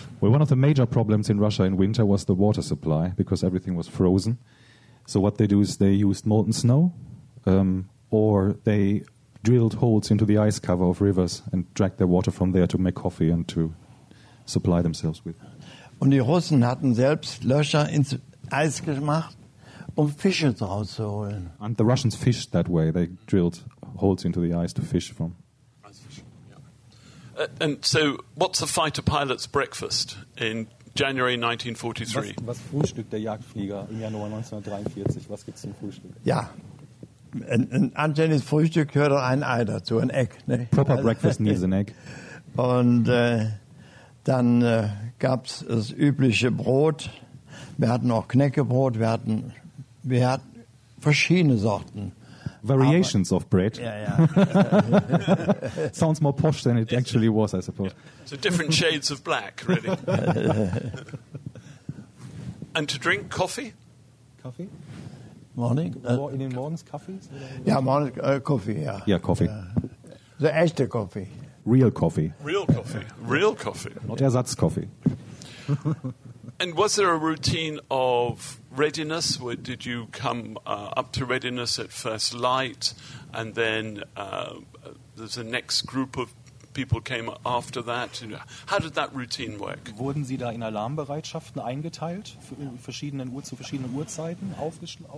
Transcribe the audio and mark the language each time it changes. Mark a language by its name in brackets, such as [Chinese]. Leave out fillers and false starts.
[English] Well, one of the major problems in Russia in winter was the water supply, because everything was frozen. So what they do is they used molten snow or they drilled holes into the ice cover of rivers and dragged their water from there to make coffee and to supply themselves with. [German] Und die Russen hatten selbst Löcher ins Eis gemacht, um Fische draus zu holen. [English] And the Russians fished that way. They drilled holes into the ice to fish from. And so what's a fighter pilot's breakfast in January 1943? [German] Was frühstückt der Jagdflieger im Januar 1943? Was gibt's zum Frühstück? Ja. Ein anständiges Frühstück gehört ein Ei dazu, ein Egg. Ne? [English] Proper breakfast needs an egg. [German] Und dann gab es das übliche Brot. Wir hatten auch Knäckebrot. Wir hatten verschiedene Sorten. [English] variations of bread. Yeah. Sounds more posh than it actually was, I suppose. Yeah. So different shades of black, really. And to drink coffee? Coffee? The echte coffee. Real coffee. Real coffee. Real coffee. Not Ersatzkoffee. And was there a routine of readiness? Did you come up to readiness at first light, and then there's a next group of people came after that? How did that routine work? [German] Wurden Sie da in Alarmbereitschaften eingeteilt zu verschiedenen Uhrzeiten aufgestellt?